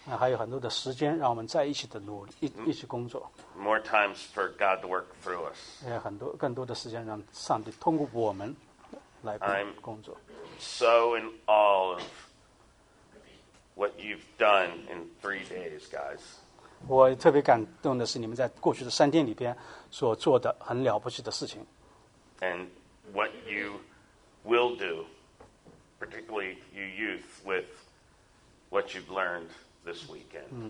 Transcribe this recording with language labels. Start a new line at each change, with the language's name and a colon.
Chinese: 还有很多的时间让我们在一起的努力，一起工作。
English: More times for God to work through us.
Chinese: 也很多更多的时间让上帝通过我们来工作。
English: I'm so in awe of what you've done in 3 days, guys.
Chinese: 我特别感动的是你们在过去的3天里边所做的很了不起的事情。
English: And what you will do, particularly you youth, with what you've learned this weekend.